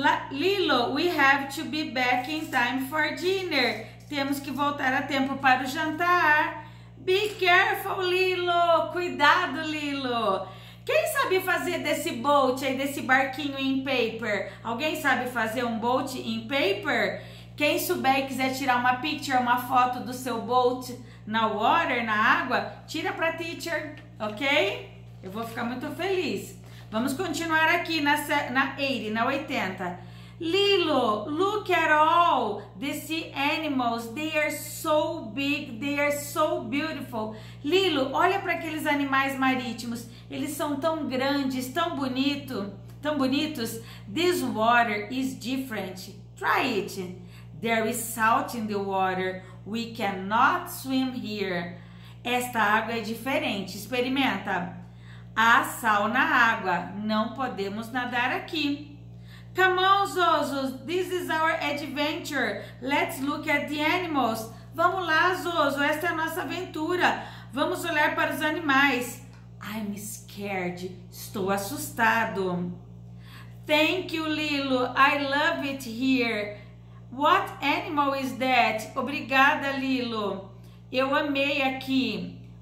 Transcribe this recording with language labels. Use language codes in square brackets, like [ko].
[en] Lilo, we have to be back in time for dinner. [pt] Temos que voltar a tempo para o jantar. [en] Be careful, Lilo. [pt] Cuidado, Lilo. Quem sabe fazer desse boat aí, desse barquinho em paper? Alguém sabe fazer um boat em paper? Quem souber e quiser tirar uma picture, uma foto do seu boat na water, na água, tira pra teacher, ok? Eu vou ficar muito feliz. Vamos continuar aqui na 80, na 80. [en] Lilo, look at all the sea animals. They are so big, they are so beautiful. [pt] Lilo, olha para aqueles animais marítimos. Eles são tão grandes, tão bonitos. [en] This water is different. Try it. There is salt in the water. We cannot swim here. [pt] Esta água é diferente. Experimenta. Há sal na água. Não podemos nadar aqui. [en] Come on, Zozo. This is our adventure. Let's look at the animals. [pt] Vamos lá, Zozo. Esta é a nossa aventura. Vamos olhar para os animais. [en] I'm scared. [pt] Estou assustado. [en] Thank you, Lilo. I love it here. What animal is that? [pt] Obrigada, Lilo. Eu amei aqui.